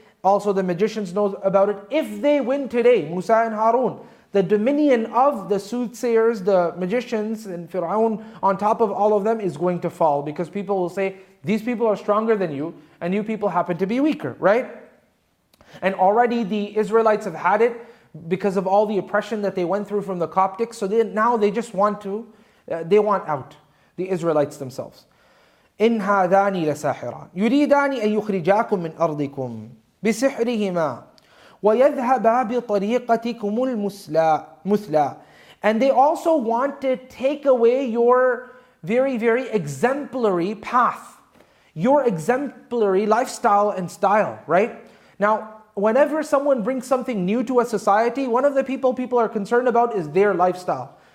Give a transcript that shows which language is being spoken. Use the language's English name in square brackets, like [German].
[English] Also, the magicians know about it. If they win today, Musa and Harun, the dominion of the soothsayers, the magicians, and Fir'aun on top of all of them is going to fall, because people will say, these people are stronger than you, and you people happen to be weaker, right? And already the Israelites have had it because of all the oppression that they went through from the Coptics. So they want out, the Israelites themselves. [Arabic] إِنْ هَذَانِ لَسَاحِرًا يُرِيدَانِ أَن يُخْرِجَاكُمْ مِنْ أَرْضِكُمْ بسحرهما ويذهبا بطريقتكم المثلى. [English] And they also want to take away your very, very exemplary path, your exemplary lifestyle and style, right? Now, whenever someone brings something new to a society, one of the people are concerned about is their lifestyle.